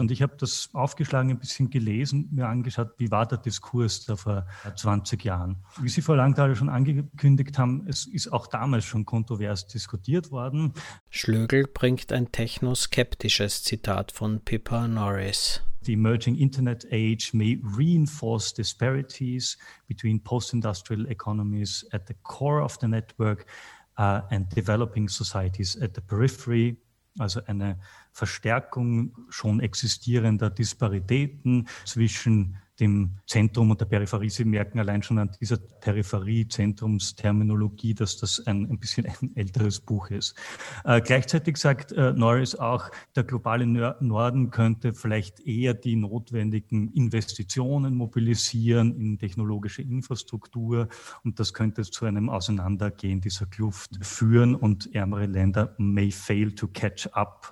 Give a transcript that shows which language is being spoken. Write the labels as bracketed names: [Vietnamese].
[German] Und ich habe das aufgeschlagen, ein bisschen gelesen, mir angeschaut, wie war der Diskurs da vor 20 Jahren. Wie Sie vor langer Zeit schon angekündigt haben, es ist auch damals schon kontrovers diskutiert worden. Schlögl bringt ein technoskeptisches Zitat von Pippa Norris. [English] The emerging internet age may reinforce disparities between post-industrial economies at the core of the network and developing societies at the periphery. [German] Also eine Verstärkung schon existierender Disparitäten zwischen dem Zentrum und der Peripherie. Sie merken allein schon an dieser Peripherie-Zentrumsterminologie, dass das ein bisschen ein älteres Buch ist. Gleichzeitig sagt Norris auch, der globale Norden könnte vielleicht eher die notwendigen Investitionen mobilisieren in technologische Infrastruktur und das könnte zu einem Auseinandergehen dieser Kluft führen und ärmere Länder [English] may fail to catch up.